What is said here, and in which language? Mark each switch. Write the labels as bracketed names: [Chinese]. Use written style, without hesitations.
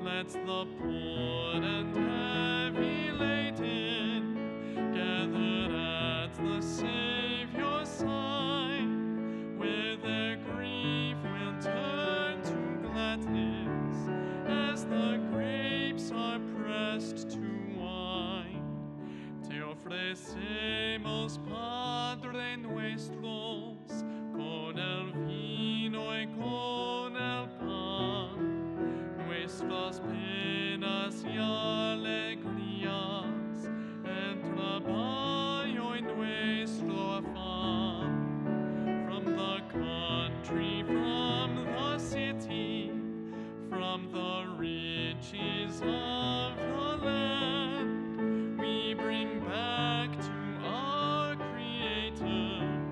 [English] to the poor and heavy laden gathered at the Savior's side, where their grief will turn to gladness as the grapes are pressed to wine. [Spanish] Te ofrecemos, Padre nuestro, con el vino y con el pan, nuestras penas y alegrías, en trabajo y nuestro afán. [English] From the country, from the city, from the riches of the land, we bring back to our Creator